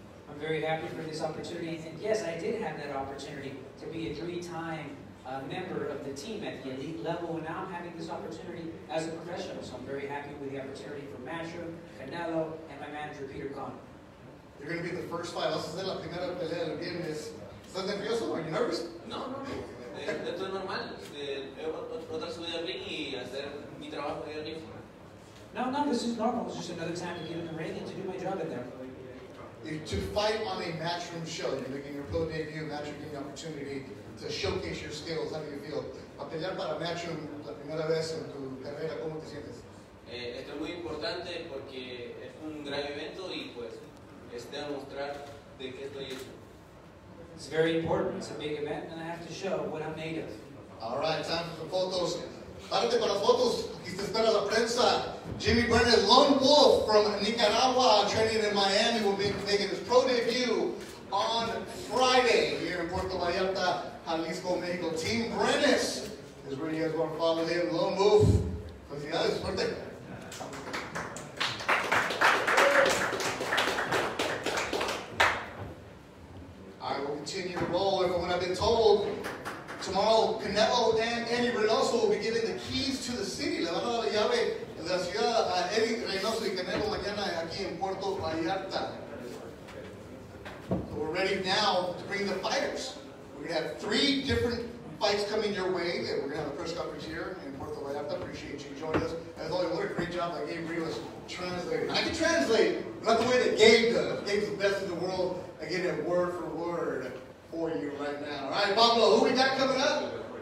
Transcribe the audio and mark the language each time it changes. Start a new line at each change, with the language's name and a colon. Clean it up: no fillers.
English: I'm very happy for this opportunity, and yes, I did have that opportunity to be a three-time member of the team at the elite level, and now I'm having this opportunity as a professional, so I'm very happy with the opportunity for Matchroom, Canelo, and my manager, Peter Kahn. You're going to be the first fight.
Spanish: Vas a hacer la primera pelea del viernes. ¿Estás nervioso?
English: ¿Are you nervous?
Spanish: No. Esto es normal. Otra subida al ring y hacer mi trabajo de ring.
English: No, this is normal. It's just another time to get in the ring and to do my job in there. To fight on a Matchroom show, you're making your pro debut, Matchroom giving you an opportunity to showcase your skills. How do you feel?
Spanish: A pelear para Matchroom la primera vez en tu carrera, ¿cómo te sientes? Esto es muy importante porque es un gran evento y pues es demostrar de qué estoy hecho.
English: It's very important. It's a big event and I have to show what I'm made of. All right, time for the photos.
Spanish: Párate para fotos. Aquí te espera la prensa.
English: Jimmy Brenes, Lone Wolf from Nicaragua, training in Miami, will be making his pro debut on Friday here in Puerto Vallarta, Jalisco, Mexico. Team Brenes is where you guys want to follow him. Lone Wolf.
Spanish: Felicidades, suerte.
English: All right, we'll continue to roll. Everyone, I've been told, tomorrow, Canelo and Eddie Reynoso will be giving the keys to the city.
Spanish: Le van a dar la llave de la ciudad a Eddie Reynoso y Canelo mañana aquí en Puerto Vallarta.
English: So we're ready now to bring the fighters. We're going to have three different fights coming your way. We're going to have a press conference here in Puerto Vallarta. Appreciate you joining us. As always, what a great job by Gabe Rivas translating. I can translate, but not the way that Gabe does. Gabe's the best in the world. I get it word for word for you right now. All right, Pablo, who we got coming up?